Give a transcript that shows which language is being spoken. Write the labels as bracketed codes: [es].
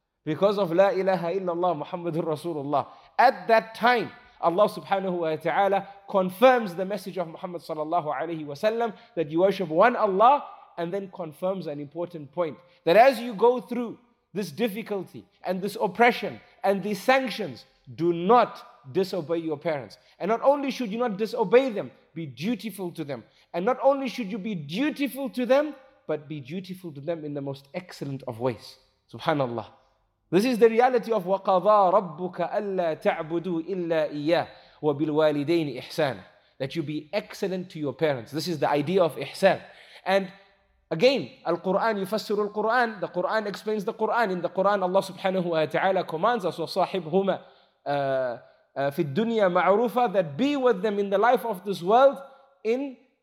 [en] Because of La ilaha illallah Muhammadur Rasulullah. At that time, Allah subhanahu wa ta'ala confirms the message of Muhammad sallallahu alayhi wa sallam, that you worship one Allah, and then confirms an important point, that as you go through this difficulty and this oppression and these sanctions, do not disobey your parents. And not only should you not disobey them, be dutiful to them. And not only should you be dutiful to them, but be dutiful to them in the most excellent of ways. Subhanallah. This is the reality of [ar] وَقَضَى رَبُّكَ أَلَّا تَعْبُدُوا إِلَّا إِيَّا وَبِالْوَالِدَيْنِ إِحْسَانًا. [en] That you be excellent to your parents. This is the idea of ihsan. And again, Al-Qur'an [ar] يُفَسِّرُ [en] Al-Qur'an. The Qur'an explains the Qur'an. In the Qur'an, Allah subhanahu wa ta'ala commands us, [ar] وَصَاحِبْهُمَا فِي الدُّنْيَا مَعْرُوفًا, [en] that be with them in the life of this world in